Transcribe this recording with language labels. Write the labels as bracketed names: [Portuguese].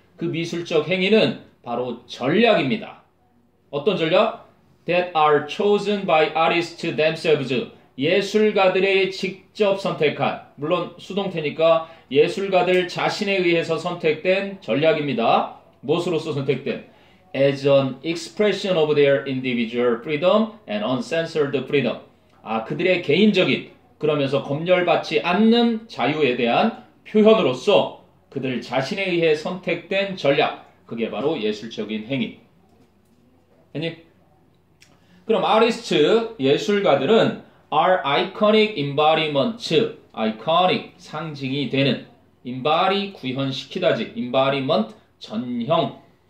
[Korean] 그 미술적 행위는 바로 전략입니다. 어떤 전략? [English] That are chosen by artists themselves. [Korean] 예술가들의 직접 선택한, 물론 수동태니까 예술가들 자신에 의해서 선택된 전략입니다. 무엇으로서 선택된? [English] As an expression of their individual freedom and uncensored freedom. [Korean] 아, 그들의 개인적인, 그러면서 검열받지 않는 자유에 대한 표현으로서 그들 자신에 의해 선택된 전략, 그게 바로 예술적인 행위. 아니, 그럼 아티스트, 예술가들은 [English] are iconic embodiments, [Korean] iconic, 상징이 되는, embody, 구현시키다지, embodiment, 전형.